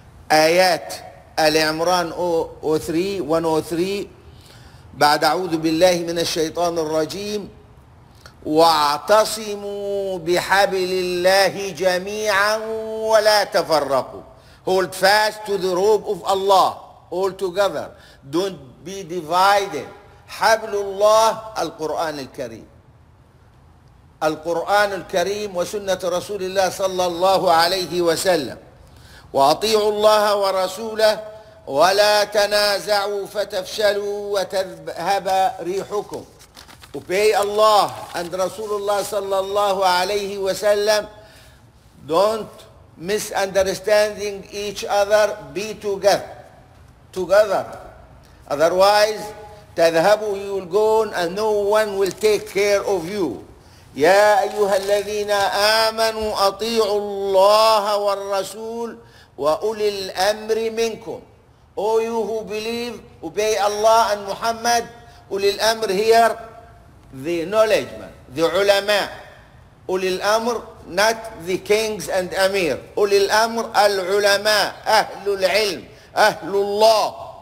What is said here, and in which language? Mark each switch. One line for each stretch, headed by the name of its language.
Arabic: آيات آل عمران 103 بعد أعوذ بالله من الشيطان الرجيم واعتصموا بحبل الله جميعا ولا تفرقوا.
English: Hold fast to the rope of Allah all together.
Arabic: Don't be divided. حبل الله القرآن الكريم. القرآن الكريم وسنة رسول الله صلى الله عليه وسلم. وأطيعوا الله ورسوله ولا تنازعوا فتفشلوا وتذهب ريحكم.
English: Obey Allah and Rasulullah sallallahu alayhi wa sallam. Don't misunderstanding each other. Be together. Otherwise, تذهبوا, you will go on and no one will take care of you.
Arabic: يا أيها الذين آمنوا أطيعوا الله والرسول وأولي الأمر منكم.
English: O you who believe, obey Allah and Muhammad. أولي الأمر here, the knowledge man, the ulama. Uli al-amr, not the kings and amir. Uli al-amr, al-ulama, ahlul ilm, ahlullah.